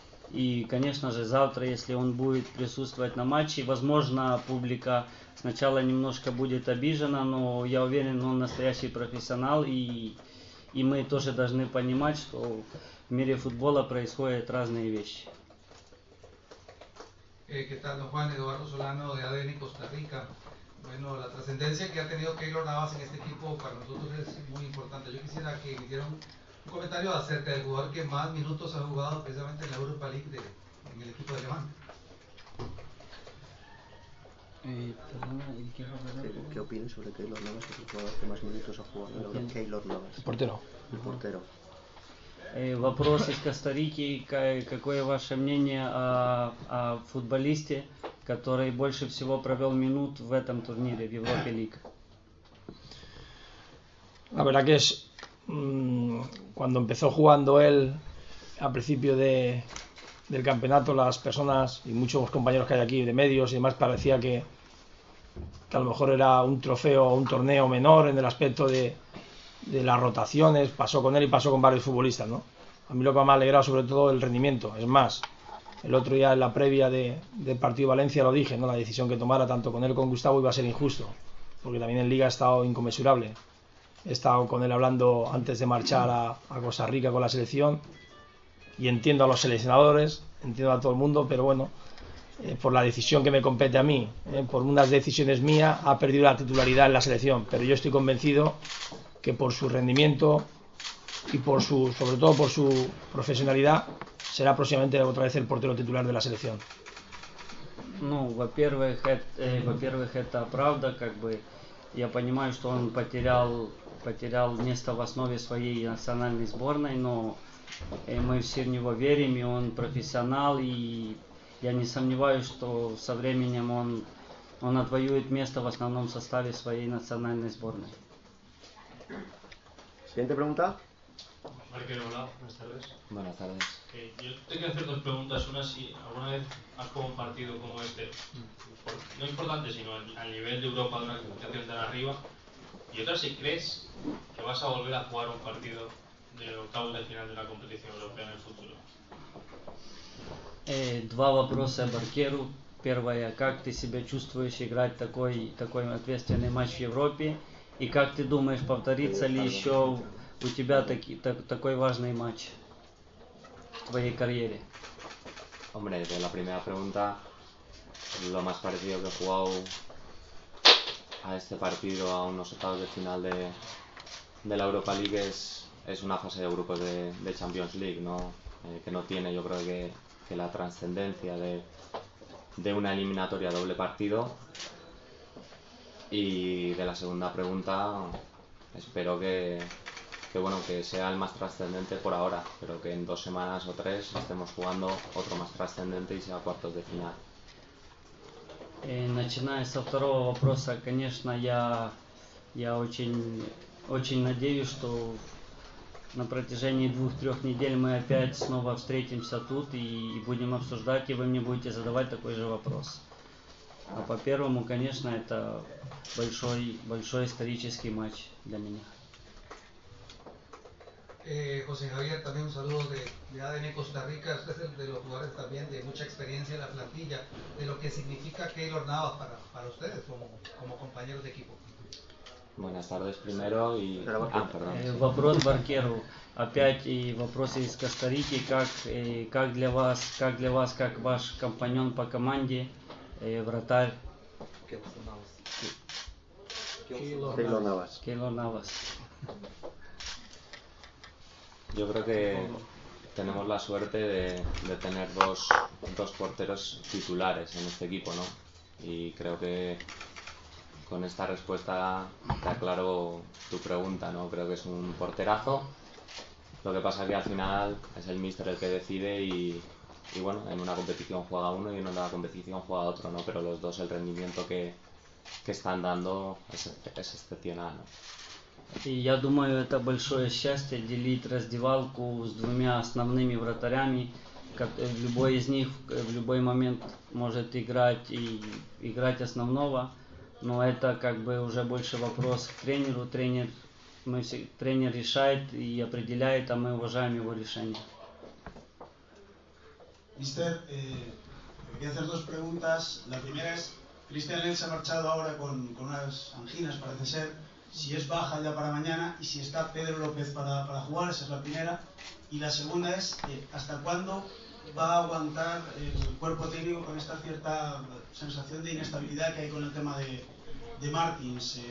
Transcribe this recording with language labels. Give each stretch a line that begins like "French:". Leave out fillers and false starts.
Russian: И, конечно же, завтра, если он будет присутствовать на матче, возможно, публика сначала немножко будет обижена, но я уверен, он настоящий профессионал и мы тоже должны понимать, что в мире футбола происходят разные вещи.
Spanish: ¿Qué tal, don Juan? Eduardo Solano, de ADN Costa Rica. Bueno, la trascendencia que ha tenido Keylor Navas en este equipo para nosotros es muy importante. Yo quisiera que me dieran un comentario acerca del jugador que más minutos ha jugado precisamente en la Europa League en el equipo de Levante. ¿Qué opinas sobre Keylor Navas, el jugador que más minutos ha jugado en la Europa? Keylor Navas. El portero.
Russian: Вопрос из Коста-Рики. Какое ваше мнение о футболисте, который больше всего провел минут в этом турнире, в Европе Лиг?
Spanish: La verdad que es cuando empezó jugando él al principio del campeonato, las personas y muchos compañeros que hay aquí de medios y demás parecía que a lo mejor era un trofeo o un torneo menor en el aspecto de las rotaciones. Pasó con él y pasó con varios futbolistas, ¿no? A mí lo que me ha alegrado sobre todo el rendimiento. Es más, el otro día en la previa del partido Valencia lo dije, ¿no? La decisión que tomara tanto con él como con Gustavo iba a ser injusto, porque también en Liga ha estado inconmensurable. He estado con él hablando antes de marchar a Costa Rica con la selección y entiendo a los seleccionadores, entiendo a todo el mundo, pero bueno, por la decisión que me compete a mí, por unas decisiones mías, ha perdido la titularidad en la selección. Pero yo estoy convencido que por su rendimiento y por su, sobre todo por su profesionalidad, será próximamente otra vez el portero titular de la selección.
Russian: Ну, во-первых, во-первых, это правда, как бы я понимаю, что он потерял место в основе своей национальной сборной, но мы все в него верим, и он профессионал, и я не сомневаюсь, что со временем он отвоюет место в основном составе своей национальной сборной.
Spanish: Siguiente pregunta. Marker, hola, buenas tardes. Buenas tardes. Yo te quiero hacer dos preguntas. Una, si alguna vez has jugado un partido como este, no importante, sino al nivel de Europa, de una competición tan arriba. Y otra, si crees que vas a volver a jugar un partido de octavos de final de la competición europea en el futuro.
Russian: Два вопроса a Маркеру. Первое, как ты себя чувствуешь играть такой ответственный матч в Европе? И как ты думаешь, повторится ли еще у тебя такой важный матч в твоей карьере?
Spanish: Hombre, de la primera pregunta, lo más parecido que he jugado a este partido, a unos octavos de final de la Europa League, es una fase de grupos de Champions League, ¿no? Que no tiene, yo creo que la trascendencia de una eliminatoria doble partido. Y de la segunda pregunta, espero que bueno, que sea el más trascendente por ahora, pero que en dos semanas o tres estemos jugando otro más trascendente y sea cuartos de final.
Russian: Начиная со второго вопроса, конечно, я очень надеюсь, что на протяжении 2-3 недель мы опять снова встретимся тут и будем обсуждать, и вы мне будете задавать такой же вопрос. А по первому, конечно, это большой исторический матч для меня.
Spanish: José Javier, también un saludo de ADN Costa Rica. Usted es de los jugadores también de mucha experiencia en la plantilla. De lo que significa Keylor Navas para ustedes como compañeros de equipo. Buenas tardes primero y...
Russian: Вопрос Баркеру. Опять и вопросы из Коста-Рики. Как для вас, как ваш компаньон по команде? Вратарь.
Spanish: Keylor Navas. Yo creo que tenemos la suerte de tener dos porteros titulares en este equipo, ¿no? Y creo que con esta respuesta te aclaro tu pregunta, ¿no? Creo que es un porterazo. Lo que pasa es que al final es el míster el que decide y bueno, en una competición juega uno y en otra competición juega otro, ¿no? Pero los dos, el rendimiento que están dando es excepcional, ¿no?
Russian: И я думаю, это большое счастье делить раздевалку с двумя основными вратарями. Любой из них в любой момент может играть основного. Но это как бы уже больше вопрос к тренеру. Тренер решает и определяет, а мы уважаем его решение.
Spanish: Мистер, quería hacer dos preguntas. La primera es, Cristian Lenz ha marchado ahora con unas anginas, parece ser. Si es baja ya para mañana y si está Pedro López para jugar, esa es la primera. Y la segunda es, ¿hasta cuándo va a aguantar el cuerpo técnico con esta cierta sensación de inestabilidad que hay con el tema de Martins?